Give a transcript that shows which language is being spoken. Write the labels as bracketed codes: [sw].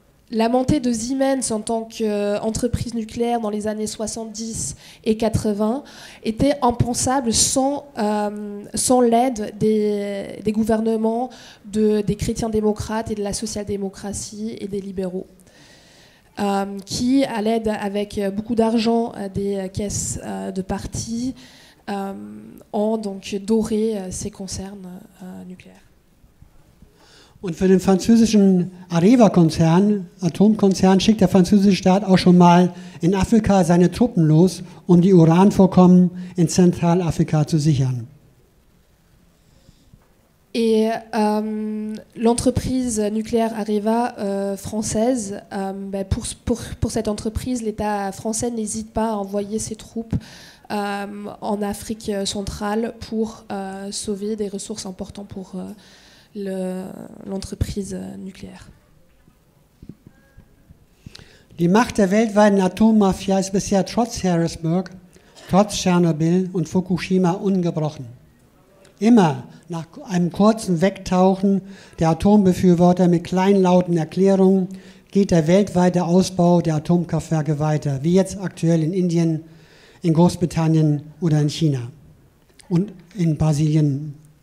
[fr] La montée de Siemens en tant qu'entreprise nucléaire dans les années 70 et 80 était impensable sans l'aide des gouvernements, des chrétiens démocrates et de la social-démocratie et des libéraux. Qui, à l'aide avec beaucoup d'argent des caisses de partis, ont donc doré ces concernes nucléaires. [de] Und für den französischen Areva-Konzern, Atomkonzern, schickt der französische Staat auch schon mal in Afrika seine Truppen los, die Uranvorkommen in Zentralafrika zu sichern. [fr] Et l'entreprise nucléaire Areva française, pour cette entreprise, l'État français n'hésite pas à envoyer ses troupes en Afrique centrale pour sauver des ressources importantes pour l'entreprise nucléaire. [de] Die Macht der weltweiten Atommafia ist bisher trotz Harrisburg, trotz Tschernobyl und Fukushima ungebrochen. Immer nach einem kurzen Wegtauchen der Atombefürworter mit kleinlauten Erklärungen geht der weltweite Ausbau der Atomkraftwerke weiter, wie jetzt aktuell in Indien, in Großbritannien oder in China und in Brasilien.